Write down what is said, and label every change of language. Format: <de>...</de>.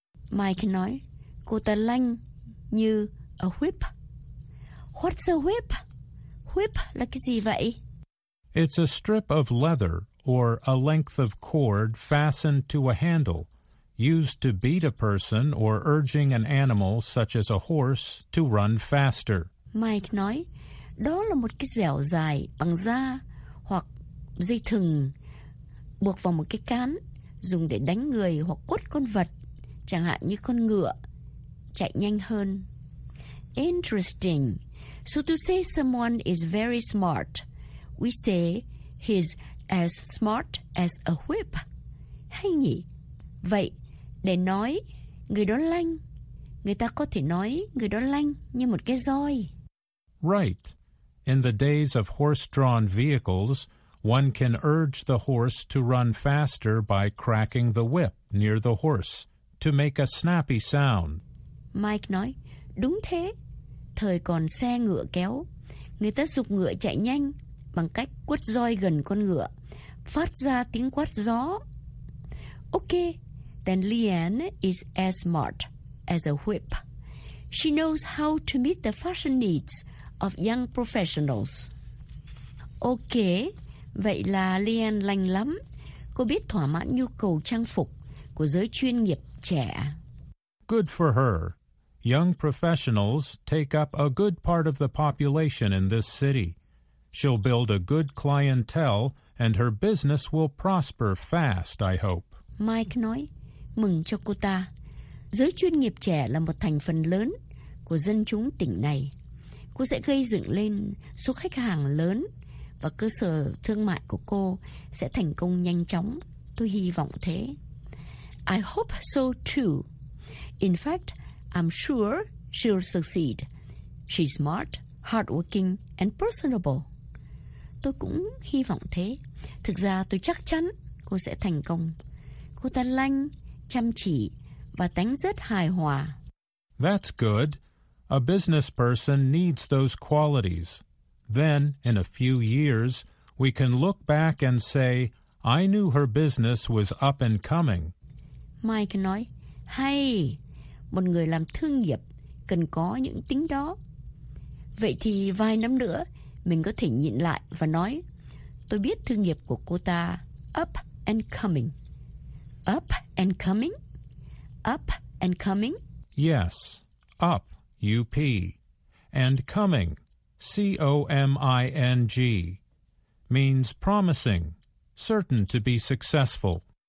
<vi>Mike nói, cô ta lanh như</vi> <en>a whip. What's a whip?</en> <vi>Whip là cái gì vậy?</vi> <en>It's a strip of leather or a length of cord fastened to a handle, used to beat a person or urging an animal such as a horse to run faster.</en> <vi>Mike nói, đó là một cái dẻo dài bằng da hoặc dây thừng buộc vào một cái cán dùng để đánh người hoặc quất con vật, chẳng hạn như con ngựa, chạy nhanh hơn.</vi> <en>Interesting. So to say someone is very smart, we say he's as smart as a whip.</en> <vi>Hay nhỉ? Vậy, để nói người đó lanh. Người ta có thể nói người đó lanh như một cái roi.</vi> <en>Right. In the days of horse-drawn vehicles, one can urge the horse to run faster by cracking the whip near the horse to make a snappy sound.</en> <vi>Mike nói, đúng thế. Thời còn xe ngựa kéo, người ta giục ngựa chạy nhanh bằng cách quất roi gần con ngựa, phát ra tiếng quát gió.</vi> <en>Okay, then Leanne is as smart as a whip. She knows how to meet the fashion needs of young professionals.</en> <vi>Okay, vậy là Leanne lành lắm. Cô biết thỏa mãn nhu cầu trang phục của giới chuyên nghiệp trẻ.</vi> <en>Good for her. Young professionals take up a good part of the population in this city. She'll build a good clientele and her business will prosper fast, I hope.</en> <vi>Mike nói, mừng cho cô ta. Giới chuyên nghiệp trẻ là một thành phần lớn của dân chúng tỉnh này. Cô sẽ gây dựng lên số khách hàng lớn và cơ sở thương mại của cô sẽ thành công nhanh chóng. Tôi hy vọng thế.</vi> <en>I hope so too. In fact, I'm sure she'll succeed. She's smart, hardworking, and personable.</en> <vi>Tôi cũng hy vọng thế. Thực ra tôi chắc chắn cô sẽ thành công. Cô ta lanh, chăm chỉ và tánh rất hài hòa.</vi> <en>That's good. A business person needs those qualities. Then, in a few years, we can look back and say, I knew her business was up and coming.</en> <vi>Mike nói, hay, một người làm thương nghiệp cần có những tính đó. Vậy thì vài năm nữa, mình có thể nhìn lại và nói, tôi biết thương nghiệp của cô ta</vi> <en>up and coming. Up and coming? Up and coming? Yes, up, U-P, and coming, C-O-M-I-N-G, means promising, certain to be successful.</en>